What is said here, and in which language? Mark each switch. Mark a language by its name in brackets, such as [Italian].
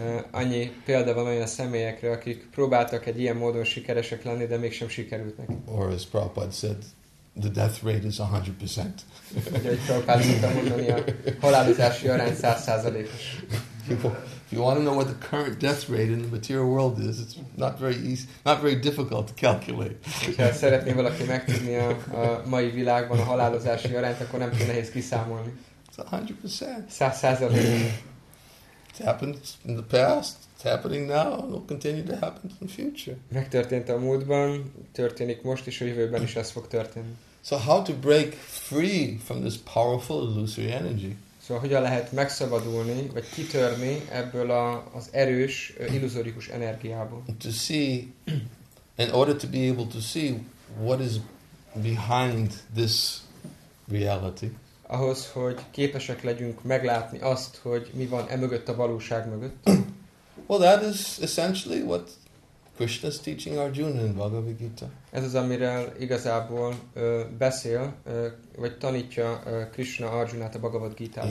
[Hungarian] Annyi példa van olyan személyekre, akik próbáltak egy ilyen módon sikeresek lenni, de mégsem sikerült nekik. [English] Or as Prabhupada said, the death rate is 100%. If you want to know what the current death rate in the material world is, it's not very easy, not very difficult to calculate. [Hungarian] Ha szeretné valaki megtudni a mai világban a halálozási arányt, akkor nem túl nehéz kiszámolni. [English] It's 100%. [Hungarian] 100%. [English] It happened in the past. It's happening now. It will continue to happen in the future. [Hungarian] Megtörtént a múltban, történik most is, a jövőben is ez fog történni. [English] So how to break free from this powerful illusory energy? [Hungarian] Szóval hogyan lehet megszabadulni, vagy kitörni ebből az erős illuzórikus energiából? [English] To see, in order to be able to see what is behind this reality. [Hungarian] Ahhoz, hogy képesek legyünk meglátni azt, hogy mi van e mögött a valóság mögött. [English] Well, that is essentially what Krishna is teaching Arjuna in Bhagavad Gita. [Hungarian] Ez az, amiről igazából beszél, vagy tanítja Krishna Arjunát a Bhagavad Gita-ban.